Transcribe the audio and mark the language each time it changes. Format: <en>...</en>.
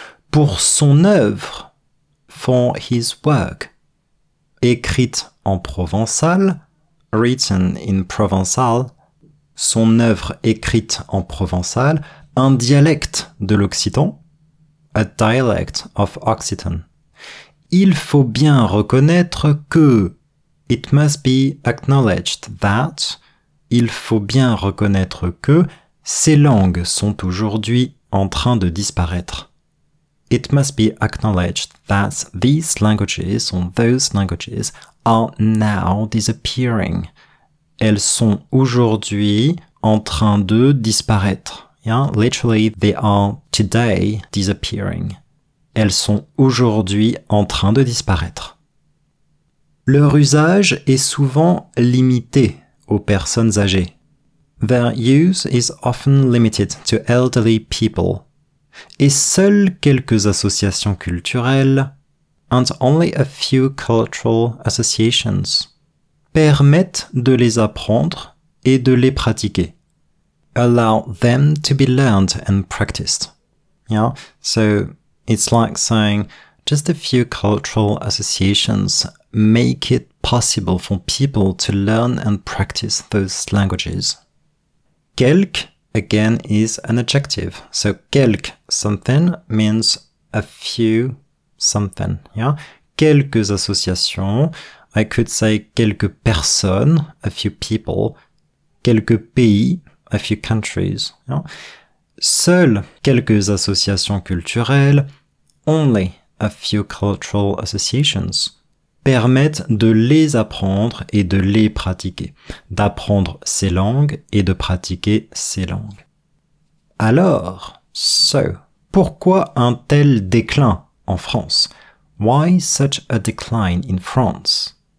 <fr>pour son œuvre,</fr> <en>for his work,</en> <fr>écrite en provençal,</fr> <en>written in provençal,</en> <fr>son œuvre écrite en provençal, un dialecte de l'occitan,</fr> <en>a dialect of Occitan,</en> <fr>il faut bien reconnaître que</fr> <en>it must be acknowledged that</en> <fr>il faut bien reconnaître que ces langues sont aujourd'hui en train de disparaître.</fr> <en>It must be acknowledged that these languages or those languages are now disappearing.</en> <fr>Elles sont aujourd'hui en train de disparaître. Yeah?</fr> <en>Literally, they are today disappearing.</en> <fr>Elles sont aujourd'hui en train de disparaître. Leur usage est souvent limité aux personnes âgées.</fr> <en>Their use is often limited to elderly people.</en> <fr>Et seules quelques associations culturelles,</fr> <en>and only a few cultural associations,</en> <fr>permettent de les apprendre et de les pratiquer.</fr> <en>Allow them to be learned and practiced. Yeah, so it's like saying just a few cultural associations make it possible for people to learn and practice those languages. Quelques, again, is an adjective. So, quelques something means a few something. Yeah?</en> <fr>Quelques associations.</fr> <en>I could say</en> <fr>quelques personnes,</fr> <en>a few people.</en> <fr>Quelques pays,</fr> <en>a few countries. Yeah?</en> <fr>Seules quelques associations culturelles,</fr> <en>only a few cultural associations,</en> <fr>permettent de les apprendre et de les pratiquer, d'apprendre ces langues et de pratiquer ces langues. Alors,</fr> <en>so,</en> <fr>pourquoi un tel déclin en France?</fr> <en>Why such a decline in France?</en>